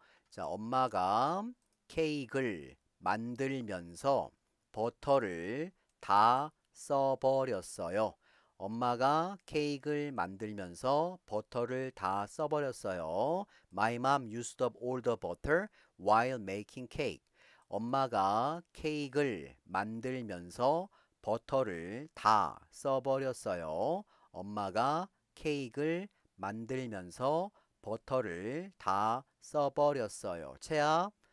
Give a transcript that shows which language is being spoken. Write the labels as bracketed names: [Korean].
[Korean] 자, 엄마가 케이크를 만들면서 버터를 다 써버렸어요. 엄마가 케이크를 만들면서 버터를 다 써버렸어요. [English] My mom used up all the butter while making cake. [Korean] 엄마가 케이크를 만들면서 버터를 다 써버렸어요. 엄마가 케이크를 만들면서 버터를 다 써버렸어요. 채아.